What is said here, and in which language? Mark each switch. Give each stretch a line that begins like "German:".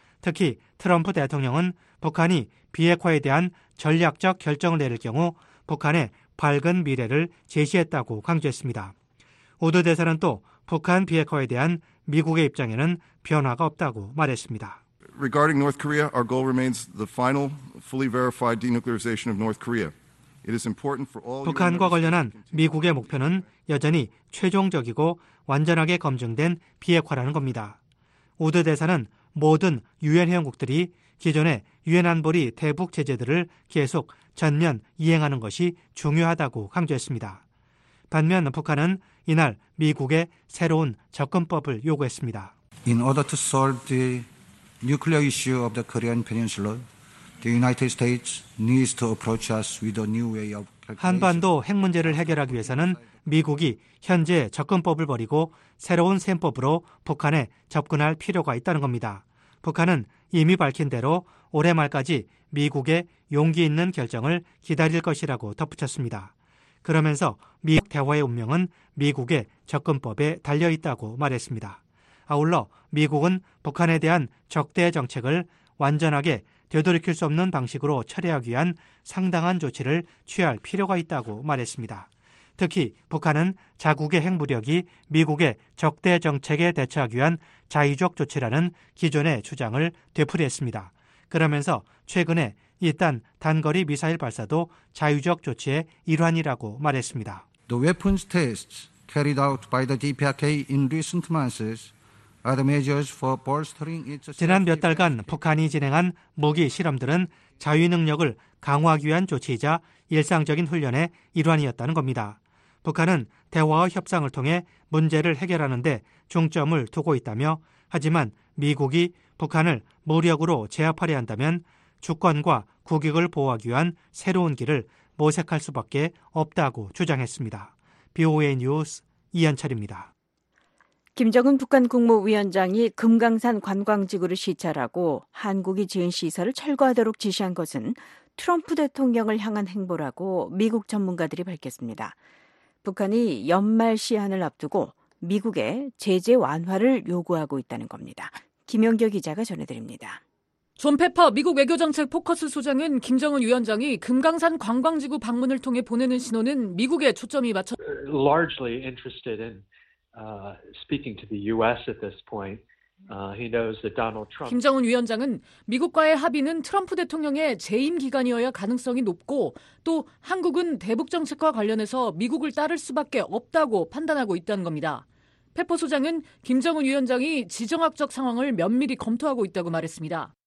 Korean: 특히 트럼프 대통령은 북한이 비핵화에 대한 전략적 결정을 내릴 경우 북한의 밝은 미래를 제시했다고 강조했습니다. 우드 대사는 또 북한 비핵화에 대한 미국의 입장에는 변화가 없다고 말했습니다.
English: Regarding North Korea, our goal remains the final, fully verified denuclearization of North Korea. It is important for all.
Korean: 북한과 관련한 미국의 목표는 여전히 최종적이고 완전하게 검증된 비핵화라는 겁니다. 우드 대사는 모든 유엔 회원국들이 기존의 유엔 안보리 대북 제재들을 계속 전면 이행하는 것이 중요하다고 강조했습니다. 반면 북한은 이날 미국의 새로운 접근법을 요구했습니다.
English: In order to solve the nuclear issue of the Korean Peninsula, the United States needs to approach us with a new way of calculation.
Korean: 한반도 핵 문제를 해결하기 위해서는 미국이 현재 접근법을 버리고 새로운 셈법으로 북한에 접근할 필요가 있다는 겁니다. 북한은 이미 밝힌 대로 올해 말까지 미국의 용기 있는 결정을 기다릴 것이라고 덧붙였습니다. 그러면서 미국 대화의 운명은 미국의 접근법에 달려있다고 말했습니다. 아울러 미국은 북한에 대한 적대 정책을 완전하게 되돌이킬 수 없는 방식으로 처리하기 위한 상당한 조치를 취할 필요가 있다고 말했습니다. 특히 북한은 자국의 핵무력이 미국의 적대 정책에 대처하기 위한 자의적 조치라는 기존의 주장을 되풀이했습니다. 그러면서 최근에 이딴 단거리 미사일 발사도 자의적 조치의 일환이라고 말했습니다.
English: The weapons tests carried out by the DPRK in recent months are the measures for bolstering its.
Korean: 지난 몇 달간 북한이 진행한 무기 실험들은 자위 능력을 강화하기 위한 조치이자 일상적인 훈련의 일환이었다는 겁니다. 북한은 대화와 협상을 통해 문제를 해결하는 데 중점을 두고 있다며 하지만 미국이 북한을 무력으로 제압하려 한다면 주권과 국익을 보호하기 위한 새로운 길을 모색할 수밖에 없다고 주장했습니다. BOA 뉴스 이한철입니다. 김정은 북한 국무위원장이 금강산 관광지구를 시찰하고 한국이 지은 시설을 철거하도록 지시한 것은 트럼프 대통령을 향한 행보라고 미국 전문가들이 밝혔습니다. 북한이 연말 시한을 앞두고 미국의 제재 완화를 요구하고 있다는 겁니다. 김영규 기자가 전해드립니다. 존 페퍼 미국 외교정책 포커스 소장은 김정은 위원장이 금강산 관광지구 방문을 통해 보내는 신호는 미국에 초점이 맞춰
English: largely interested in speaking to the US at this point. He knows that Donald Trump
Korean: 김정은 위원장은 미국과의 합의는 트럼프 대통령의 재임 기간이어야 가능성이 높고 또 한국은 대북 정책과 관련해서 미국을 따를 수밖에 없다고 판단하고 있다는 겁니다. 페퍼 소장은 김정은 위원장이 지정학적 상황을 면밀히 검토하고 있다고 말했습니다.